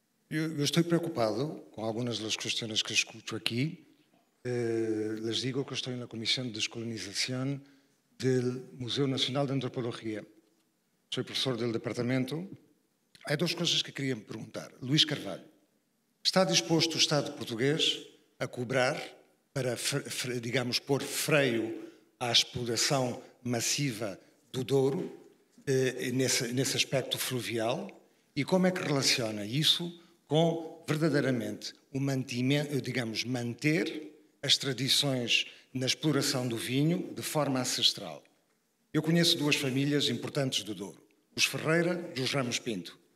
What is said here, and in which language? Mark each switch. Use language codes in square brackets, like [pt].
[pt] Eu estou preocupado com algumas das questões que escuto aqui. [es] Les digo que estoy en la Comisión de Descolonización del Museo Nacional de Antropología. Soy profesor del departamento. Hay dos cosas que quería preguntar. Luis Carvalho, ¿está dispuesto el Estado portugués a cobrar para, digamos, por freio a exploración masiva [pt] do Douro nesse aspecto fluvial? [es] ¿Y cómo es que relaciona eso con verdaderamente [pt] o mantimento, digamos, manter as tradições na exploração do vinho de forma ancestral. Eu conheço duas famílias importantes do Douro, os Ferreira e os Ramos Pinto.